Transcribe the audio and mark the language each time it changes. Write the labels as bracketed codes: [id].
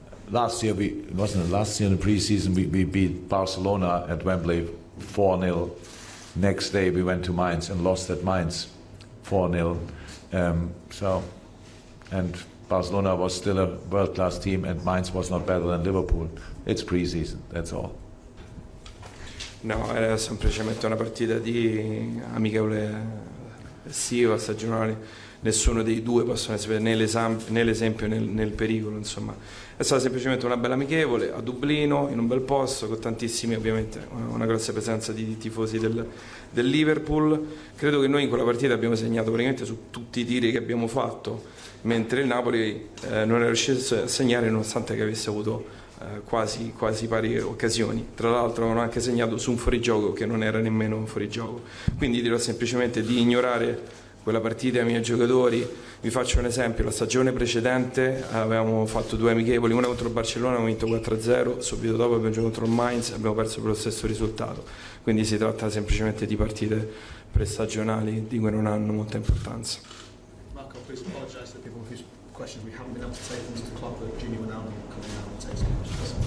[en] Last year, wasn't it last year in the preseason, we beat Barcelona at Wembley 4-0. Next day, we went to Mainz and lost at Mainz 4-0. And Barcelona was still a world-class team, and Mainz was not better than Liverpool. It's pre-season, that's all. [it] No, era semplicemente una partita di amichevole estiva, stagionale. Nessuno dei due possono essere né l'esempio né il pericolo, insomma. È stata semplicemente una bella amichevole a Dublino, in un bel posto, con tantissimi, ovviamente, una grossa presenza di tifosi del Liverpool. Credo che noi in quella partita abbiamo segnato praticamente su tutti i tiri che abbiamo fatto, mentre il Napoli non è riuscito a segnare nonostante che avesse avuto quasi pari occasioni. Tra l'altro hanno anche segnato su un fuorigioco che non era nemmeno un fuorigioco. Quindi dirò semplicemente di ignorare quella partita ai miei giocatori. Vi faccio un esempio: la stagione precedente avevamo fatto due amichevoli, una contro il Barcellona, abbiamo vinto 4-0, subito dopo abbiamo giocato contro il Mainz, abbiamo perso per lo stesso risultato. Quindi si tratta semplicemente di partite prestagionali di cui non hanno molta importanza. [en] Marco, please apologize to the people whose questions we haven't been able to take them to the club, but Gini Wijnaldum coming out and taking questions.